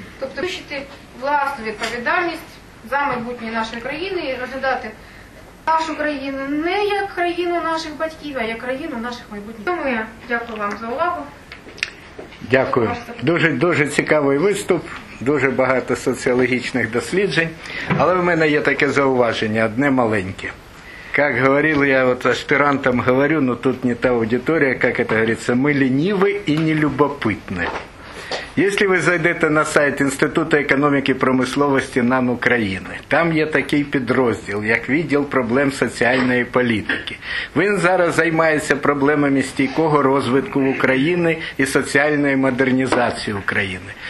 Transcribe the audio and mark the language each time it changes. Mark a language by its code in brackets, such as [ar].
[uk] Тобто підвищити власну відповідальність за майбутнє нашої країни і розглядати нашу країну не як країну наших батьків, а як країну наших майбутніх. Тому я дякую вам за увагу. Дякую. Дуже, дуже цікавий виступ, дуже багато соціологічних досліджень. Але в мене є таке зауваження, одне маленьке. [ru] Как говорил, я вот аспирантам говорю, но тут не та аудитория, как это говорится, мы ленивы и нелюбопытны. Если вы зайдете на сайт Института экономики и промысловости НАН Украины, [uk] там є такий підрозділ, як відділ проблем соціальної політики. Він зараз займається проблемами стійкого розвитку України і соціальної модернізації України.